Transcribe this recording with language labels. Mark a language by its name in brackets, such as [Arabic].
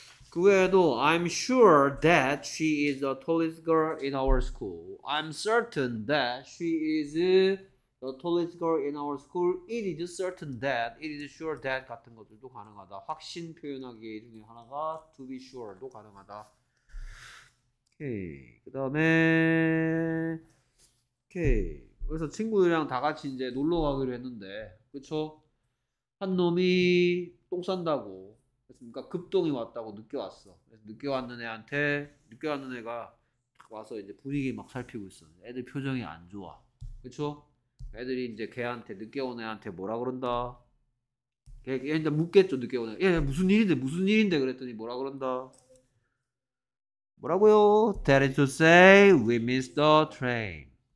[Korean] 그 외에도 [English] I'm sure that she is the tallest girl in our school. I'm certain that she is The tallest girl in our school, it is certain that, it is sure that [Korean] 같은 것들도 가능하다. 확신 표현하기 중에 하나가 [English] to be sure [Korean] 도 가능하다. 오케이, 그 다음에 오케이, 그래서 친구들이랑 다 같이 이제 놀러 가기로 했는데 그쵸? 한 놈이 똥 싼다고 그랬습니까? 급똥이 왔다고 늦게 왔어. 그래서 늦게 왔는 애한테 늦게 왔는 애가 와서 이제 분위기 막 살피고 있어. 애들 표정이 안 좋아. 그쵸? 애들이 이제 걔한테 늦게 온 애한테 뭐라 그런다. 걔 이제 묻겠죠 늦게 온 애. 얘 무슨 일인데 무슨 일인데 그랬더니 뭐라 그런다. 뭐라고요? [English] That is to say we missed the train.